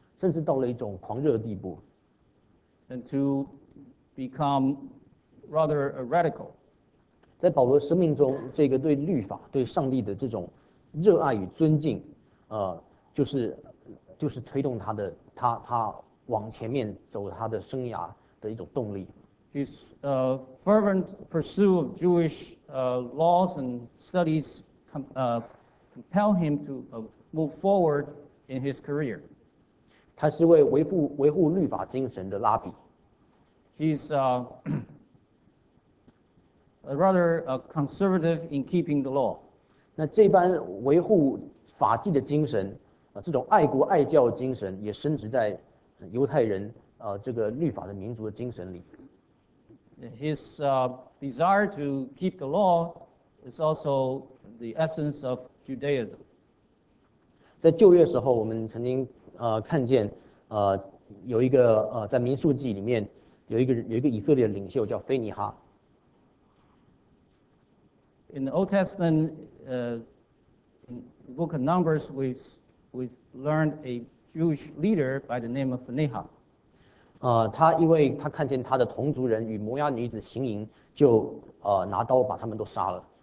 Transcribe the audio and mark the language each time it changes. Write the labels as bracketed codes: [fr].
[zh] 甚至到了一种狂热的地步。 [en] And to become rather a radical. [zh] 在保罗生命中，这个对律法、对上帝的这种热爱与尊敬，就是推动他往前面走他的生涯的一种动力。 [en] His fervent pursuit of Jewish laws and studies compel him to move forward in his career. [zh] 他是为维护律法精神的拉比。 [en] He's rather conservative in keeping the law. [zh] 那这般维护法纪的精神，这种爱国爱教的精神，也深植在犹太人这个律法的民族的精神里。 [en] His desire to keep the law is also the essence of Judaism. [zh] 在旧约时候，我们曾经看见有一个在民数记里面。有一个以色列的领袖叫腓尼哈。 [en] In the Old Testament, in the book of Numbers, we've learned a Jewish leader by the name of Phinehas. [zh] 他因为他看见他的同族人与摩押女子行淫，就拿刀把他们都杀了。